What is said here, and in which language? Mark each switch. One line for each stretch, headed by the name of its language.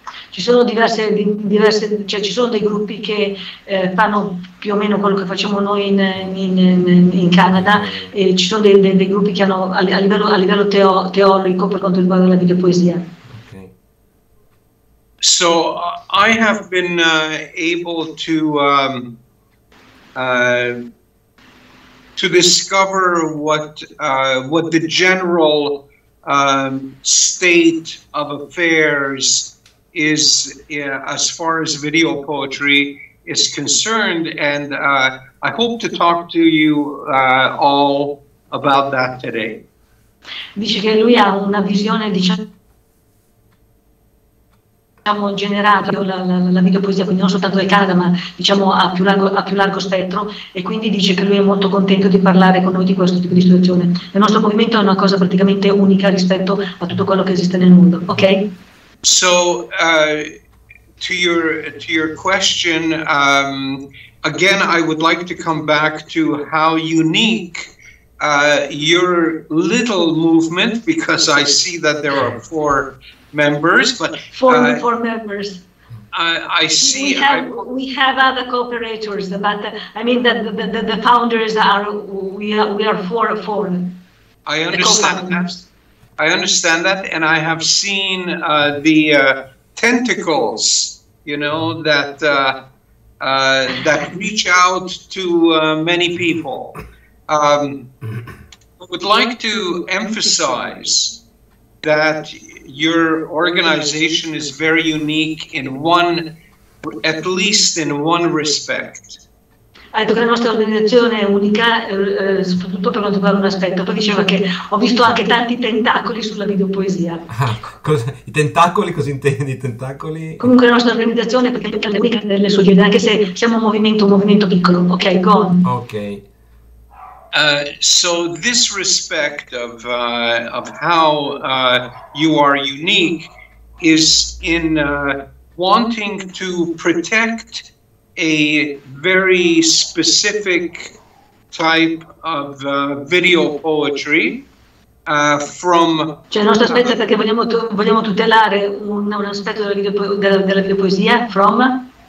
Italian: Ci sono diverse, cioè ci sono dei gruppi che fanno più o meno quello che facciamo noi in Canada, e ci sono dei gruppi che hanno a livello teorico per quanto riguarda la videopoesia. Okay.
English: So I have been able to discover what the general state of affairs is as far as video poetry is concerned, and I hope to talk to you all about that today.
Italian: Dice che lui ha una visione, diciamo, generale la videopoesia, quindi non soltanto del Canada, ma diciamo a più largo spettro, e quindi dice che lui è molto contento di parlare con noi di questo tipo di situazione. Il nostro movimento è una cosa praticamente unica rispetto a tutto quello che esiste nel mondo. Ok?
English: So, to your question, again, I would like to come back to how unique your little movement, because I see that there are four members, but four members. I see. We have other cooperators, but I mean that the founders are we are four. I understand that. I understand that, and I have seen the tentacles, you know, that that reach out to many people. I would like to emphasize that your organization is very unique in one, at least in one respect.
Italian: Ha detto che la nostra organizzazione è unica, soprattutto per quanto riguarda un aspetto. Poi diceva che ho visto anche tanti tentacoli sulla videopoesia. I tentacoli, cosa intendi? I tentacoli? Comunque la nostra organizzazione, perché è unica nelle sue genere, anche se siamo un movimento piccolo.
English: Ok, go on. Ok. So this respect of how you are unique is in wanting to protect a very specific type of video poetry from.
Italian: Cioè, il nostro aspetto è perché vogliamo tutelare un aspetto della videopoesia from.